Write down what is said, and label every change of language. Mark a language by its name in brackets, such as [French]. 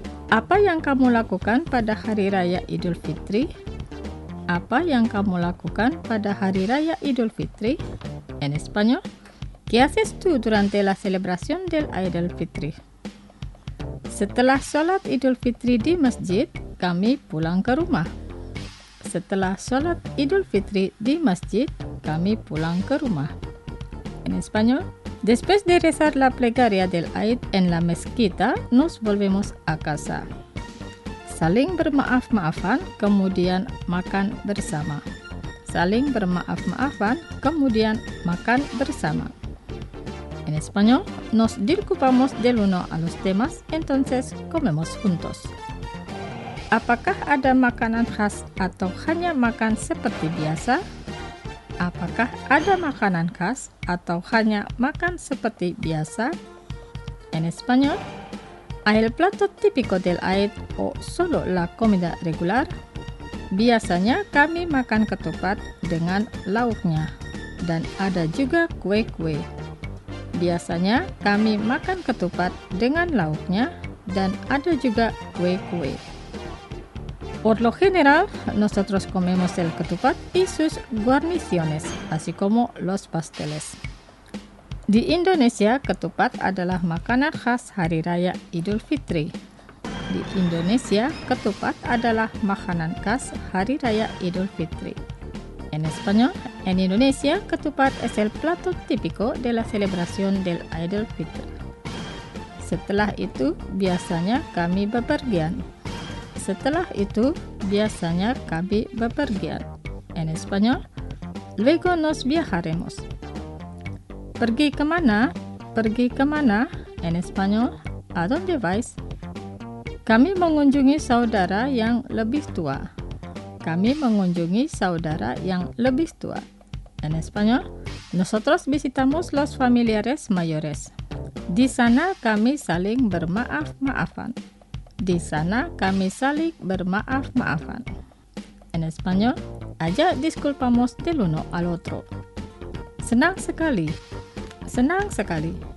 [Indonesian] Apa yang kamu lakukan pada Hari Raya Idul Fitri? Apa yang kamu lakukan pada Hari Raya Idul Fitri? [Spanish] En español, ¿qué haces tú durante la celebración del Idul Fitri? [Indonesian] Setelah sholat Idul Fitri di masjid, kami pulang ke rumah. Setelah sholat Idul Fitri di masjid, kami pulang ke rumah. [Spanish] En español, después de rezar la plegaria del Eid en la mezquita, nos volvemos a casa. [Indonesian] Saling bermaaf-maafan, kemudian makan bersama. saling bermaaf-maafan, kemudian makan bersama. [Spanish] En español, nos disculpamos del uno a los demás, entonces comemos juntos. [Indonesian] Apakah ada makanan khas atau hanya makan seperti biasa? Apakah ada makanan khas atau hanya makan seperti biasa? [Spanish] En español, ¿hay el plato típico del AED o solo la comida regular? [Indonesian] Biasanya kami makan ketupat dengan lauknya, dan ada juga kue-kue. Biasanya kami makan ketupat dengan lauknya, dan ada juga kue-kue. [Spanish] Por lo general, nosotros comemos el ketupat y sus guarniciones, así como los pasteles. [Indonesian] Di Indonesia, ketupat adalah makanan khas Hari Raya Idul Fitri. Di Indonesia, ketupat adalah makanan khas Hari Raya Idul Fitri. [Spanish] En español, en Indonesia, ketupat es el plato típico de la celebración del Idul Fitri. [Indonesian] Setelah itu, biasanya kami bepergian. Setelah itu, biasanya kami bepergian. [Spanish] En español, luego nos viajaremos. [Indonesian] Pergi ke mana? Pergi ke mana? [Spanish] En español, ¿a dónde vais? [Indonesian] Kami mengunjungi saudara yang lebih tua. Kami mengunjungi saudara yang lebih tua. [Spanish] En español, nosotros visitamos los familiares mayores. [Indonesian] Di sana kami saling bermaaf-maafan. Di sana kami saling bermaaf-maafan. [Spanish] En español, allá disculpamos del uno al otro. [Indonesian] Senang sekali. Senang sekali.